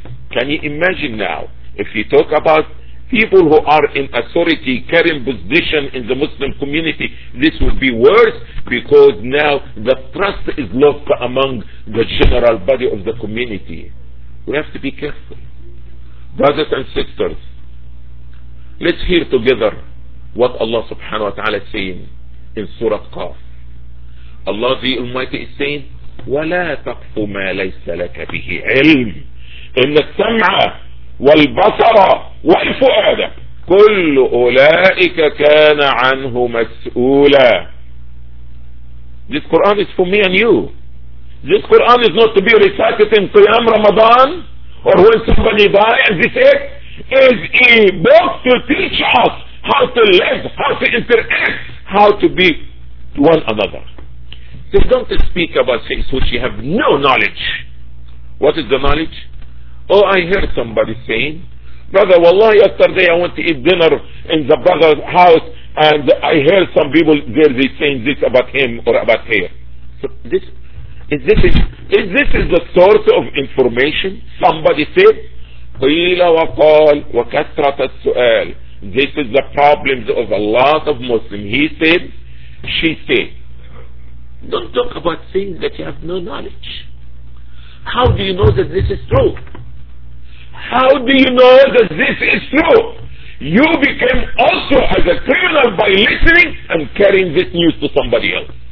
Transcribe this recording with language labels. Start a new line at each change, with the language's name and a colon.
English: Can you imagine now, if you talk about people who are in authority, carrying position in the Muslim community, this would be worse, because now the trust is lost among the general body of the community. We have to be careful. Brothers and sisters, let's hear together what Allah subhanahu wa ta'ala is saying in Surah Qaf. Allah the Almighty is saying,
Arabic: وَلَا تَقْفُ مَا لَيْسَ لَكَ بِهِ عِلْمٍ إن السمع والبصر والفؤاد كل أولئك كان عنه مسؤولا.
English: This Quran is for me and you. This Quran is not to be recited in Qiyam Ramadan or when somebody dies. This is a book to teach us how to live, how to interact, how to be one another. So don't speak about things which you have no knowledge. What is the knowledge? Oh, I heard somebody saying, brother, wallahi, yesterday I went to eat dinner in the brother's house and I heard some people there, they saying this about him or about her. So is this the source of information? Somebody said,
Arabic: قِيلَ وَقَالْ وَكَثْرَةَ السُّؤَالِ.
English: This is the problem of a lot of Muslims. He said, she said. Don't talk about things that you have no knowledge. How do you know that this is true? How do you know that this is true? you became also as a criminal by listening and carrying this news to somebody else.